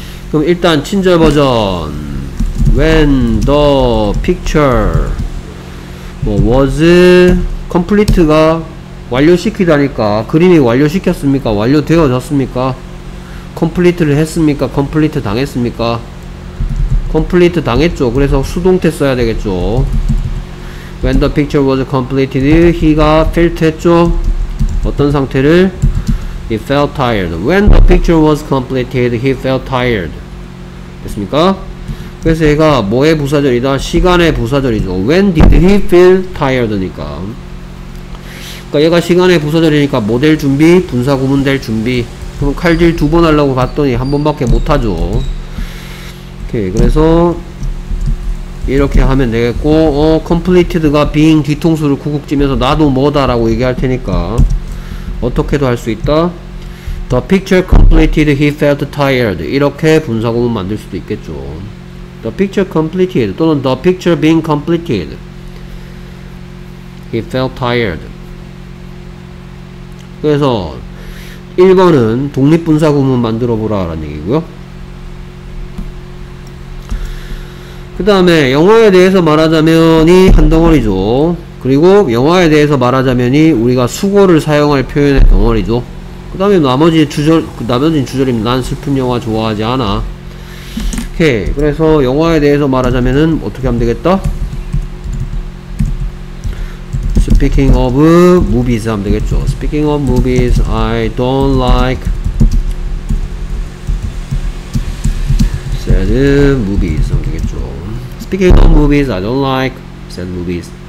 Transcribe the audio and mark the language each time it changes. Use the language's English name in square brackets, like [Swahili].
[Korean] 그럼 일단 친절 버전. [English] When the picture was complete [Korean] 가 완료시키다니까. 그림이 완료시켰습니까? 완료되어졌습니까? complete를 했습니까? complete 당했습니까? complete 당했죠. 그래서 수동태 써야 되겠죠. [English] When the picture was completed, he가 felt [Korean] 했죠. 어떤 상태를? [English] He felt tired. When the picture was completed, he felt tired. [Korean] 됐습니까? 그래서 얘가 뭐의 부사절이다? 시간의 부사절이죠. [English] When did he feel tired니까? [Korean] 그러니까 얘가 시간의 부사절이니까 뭐 될 준비? 분사구문 될 준비. 그럼 칼질 두 번 하려고 봤더니 한 번밖에 못하죠. 오케이. 그래서 이렇게 하면 되겠고, completed가 being 뒤통수를 쿡쿡 찌면서 나도 뭐다 라고 얘기할 테니까 어떻게도 할 수 있다. [English] The picture completed, he felt tired. [Korean] 이렇게 분사구문 만들 수도 있겠죠. [English] The picture completed [Korean] 또는 [English] the picture being completed, he felt tired. [Korean] 그래서 1번은 독립분사구문 만들어보라 라는 얘기고요. 그 다음에 영화에 대해서 말하자면이 한 덩어리죠. 그리고 영화에 대해서 말하자면이 우리가 수거를 사용할 표현의 덩어리죠. 그 다음에 나머지 주절, 그 나머지 주절입니다. 난 슬픈 영화 좋아하지 않아. 오케이. 그래서 영화에 대해서 말하자면은 어떻게 하면 되겠다? [English] Speaking of movies [Korean] 하면 되겠죠. [English] Speaking of movies, I don't like sad movies [Korean] 하면 되겠죠. [English] Speaking of movies, I don't like sad movies.